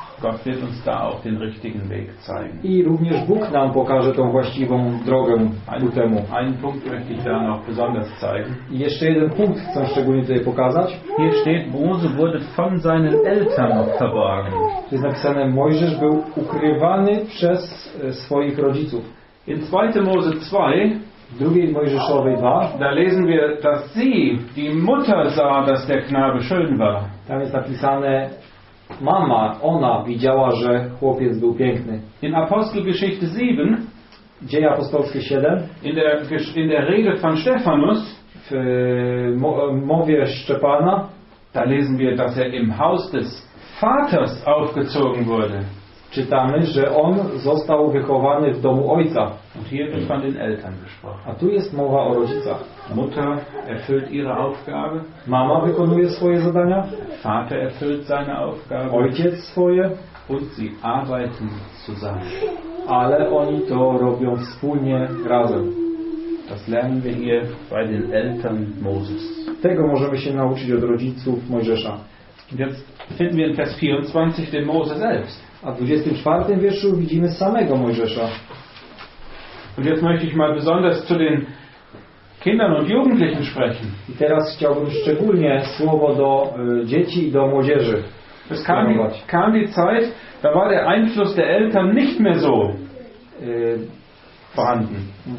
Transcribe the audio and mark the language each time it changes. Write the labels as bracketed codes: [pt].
[de] Gott wird uns da auch den richtigen Weg zeigen. [pl] I również Bóg nam pokaże tą właściwą drogę ku temu. [de] Einen Punkt möchte ich da noch besonders zeigen. [pl] I jeszcze jeden punkt chcę szczególnie tutaj pokazać. [de] Hier steht, Mose wurde von seinen Eltern noch verborgen. [pl] Tu jest napisane, Mojżesz był ukrywany przez swoich rodziców. [de] In 2. Mose 2, [pl] w drugiej Mojżeszowej 2, [de] da lesen wir, dass sie, die Mutter sah, dass der Knabe schön war. [pl] Tam jest napisane, mama, ona widziała, że chłopiec był piękny. [de] In Apostelgeschichte 7, [pl] Dzieje Apostolskie 7, [de] in der Rede von Stephanus, [pl] w mowie Szczepana, [de] da lesen wir, dass er im Haus des Vaters aufgezogen wurde. [pl] Czytamy, że on został wychowany w domu ojca. [de] Und hier wird von den Eltern gesprochen. [pl] A tu jest mowa o rodzicach. [de] Mutter erfüllt ihre Aufgabe. [pl] Mama wykonuje swoje zadania. [de] Vater erfüllt seine Aufgabe. [pl] Ojciec swoje. [de] Und sie arbeiten zusammen. [pl] Ale oni to robią wspólnie, razem. [de] Das lernen wir hier bei den Eltern Moses. [pl] Tego możemy się nauczyć od rodziców Mojżesza. [de] Jetzt finden wir in Vers 24 den Mose selbst. [pl] A w 24 wierszu widzimy samego Mojżesza. [de] Und jetzt möchte ich mal besonders zu den Kindern und Jugendlichen sprechen. [pl] I teraz chciałbym szczególnie słowo do dzieci i do młodzieży. [de] Es kam die Zeit, da war der Einfluss der Eltern nicht mehr so vorhanden.